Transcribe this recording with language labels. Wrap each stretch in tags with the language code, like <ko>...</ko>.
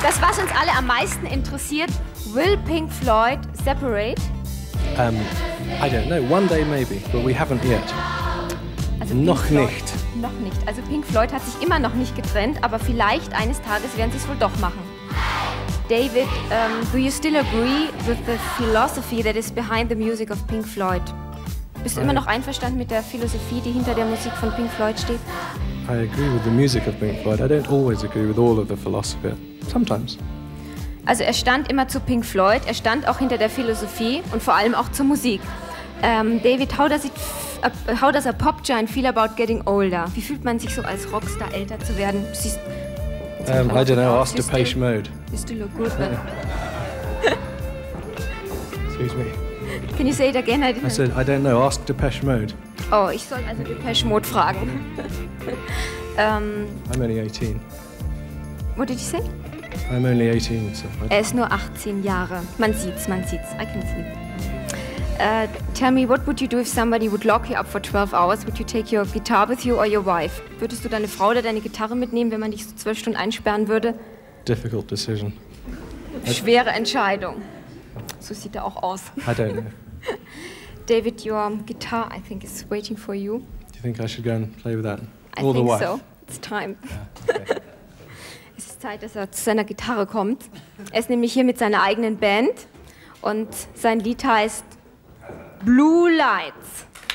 <de>Das, was uns alle am meisten interessiert,</de> <en>will Pink Floyd separate? I don't know. One day maybe, but we haven't yet.</en> <de>Also noch nicht. Noch nicht. Also Pink Floyd hat sich immer noch nicht getrennt, aber vielleicht eines Tages werden sie es wohl doch machen.</de> <en>David, do you still agree with the philosophy that is behind the music of Pink Floyd?</en> <de>Bist du immer noch einverstanden mit der Philosophie, die hinter der Musik von Pink Floyd steht?</de> <en>I agree with the music of Pink Floyd. I don't always agree with all of the philosophy. Sometimes.</en> <de>Also er stand immer zu Pink Floyd, er stand auch hinter der Philosophie und vor allem auch zur Musik.</de> <en>David, how does a pop giant feel about getting older?</en> <de>Wie fühlt man sich so als Rockstar älter zu werden?</de> <en>I don't know, ask Depeche Mode. You still look good, man. Excuse me. Can you say it again? I said, I don't know, ask Depeche Mode.</en> <de>Oh, ich soll also Depeche Mode fragen.</de> <en>I'm only 18. What did you say? I'm only 18, so</en> <de>er ist nur 18 Jahre. Man sieht's.</de> <en>I can see. Tell me, what would you do if somebody would lock you up for 12 hours? Would you take your guitar with you or your wife?</en> <de>Würdest du deine Frau oder deine Gitarre mitnehmen, wenn man dich so 12 Stunden einsperren würde?</de> <en>Difficult decision.</en> <de>Schwere Entscheidung. So sieht er auch aus.</de> <en>I don't know. David, your guitar, I think, is waiting for you. Do you think I should go and play with that? I or think the wife? So. It's time.</en> <de>Es ist Zeit, dass er zu seiner Gitarre kommt. Er ist nämlich hier mit seiner eigenen Band und sein Lied heißt Blue Lights.</de>